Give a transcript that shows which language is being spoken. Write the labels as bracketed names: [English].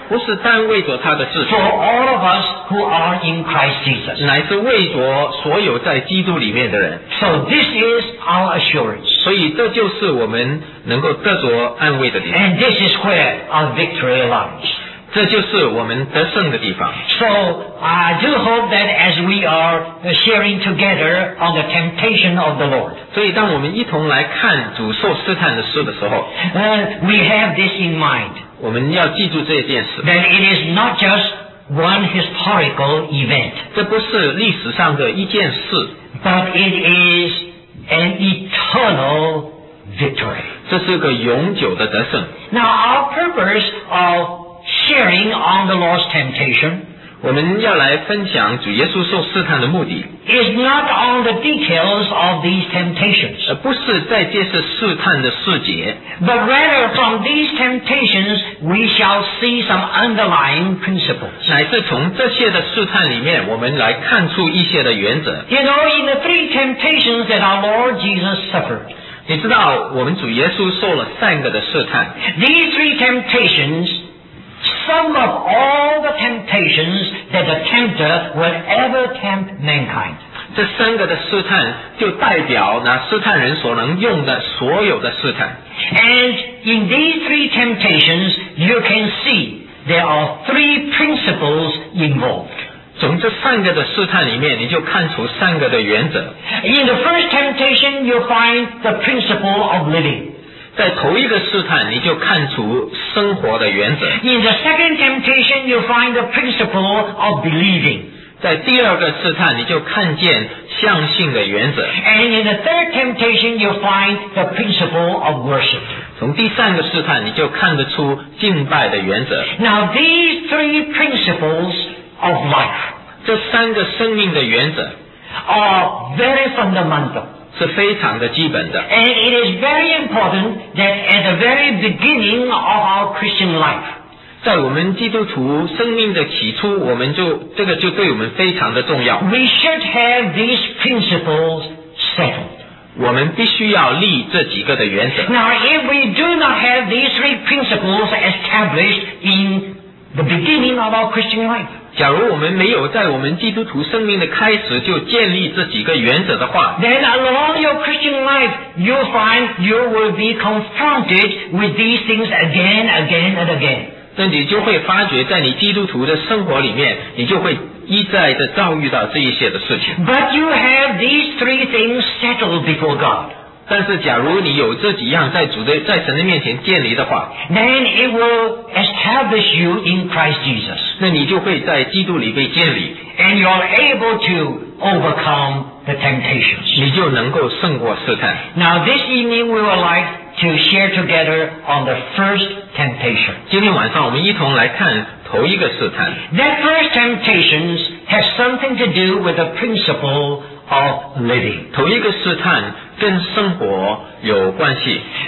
[Chinese] 不是单为着他的自己。 [English] For all of us who are in Christ Jesus. [Chinese] 乃是为着所有在基督里面的人。 [English] So this is our assurance. [Chinese] 所以这就是我们能够得着安慰的地方。 [English] And this is where our victory lies. [Chinese] 这就是我们得胜的地方。 [English] So,I do hope that as we are sharing together on the temptation of the Lord. [Chinese] 所以当我们一同来看主受试探的事的时候， [English] we have this in mind. [Chinese] 我们要记住这件事。 [English] That it is not just one historical event. [Chinese] 这不是历史上的一件事。 [English] But it is an eternal victory. [Chinese] 这是个永久的得胜。 [English] Now our purpose of sharing on the Lord's temptation. [Chinese] 我们要来分享主耶稣受试探的目的。 [English] It's not on the details of these temptations. [Chinese] 不是在这些试探的细节。 [English] But rather from these temptations, we shall see some underlying principles. [Chinese] 乃是从这些的试探里面，我们来看出一些的原则。 [English] You know, in the three temptations that our Lord Jesus suffered. [Chinese] 你知道我们主耶稣受了三个的试探。 [English] These three temptations. Some of all the temptations that the tempter would ever tempt mankind. [Chinese] 这三个的试探就代表那试探人所能用的所有的试探。 [English] And in these three temptations, you can see there are three principles involved. [Chinese] 从这三个的试探里面，你就看出三个的原则。 [English] In the first temptation, you find the principle of living. [Chinese] 在头一个试探，你就看出生活的原则。 [English] In the second temptation, you find the principle of believing. [Chinese] 在第二个试探，你就看见相信的原则。 [English] And in the third temptation, you find the principle of worship. [Chinese] 从第三个试探，你就看得出敬拜的原则。 [English] Now these three principles. Of life. [Chinese] 这三个生命的原则 [English] are very fundamental. [Chinese] 是非常的基本的。 [English] And it is very important that at the very beginning of our Christian life, [Chinese] 在我们基督徒生命的起初，我们就这个就对我们非常的重要。 [English] We should have these principles settled. [Chinese] 我们必须要立这几个的原则。 [English] Now, if we do not have these three principles established in the beginning of our Christian life, [Chinese] 假如我们没有在我们基督徒生命的开始就建立这几个原则的话 [English] Then along your Christian life you'll find you will be confronted with these things again, again and again [Chinese] 那你就会发觉在你基督徒的生活里面你就会一再的遭遇到这一些的事情 [English] But you have these three things settled before God [Chinese] 但是假如你有这几样在主的在神的面前建立的话 [English] Then it will establish you in Christ Jesus [Chinese] 那你就会在基督里被建立 [English] and you are able to overcome the temptations [Chinese] 你就能够胜过试探 [English] Now this evening we would like to share together on the first temptation [Chinese] 今天晚上我们一同来看头一个试探 [English] That first temptation has something to do with the principle of living [Chinese] 头一个试探跟生活有关系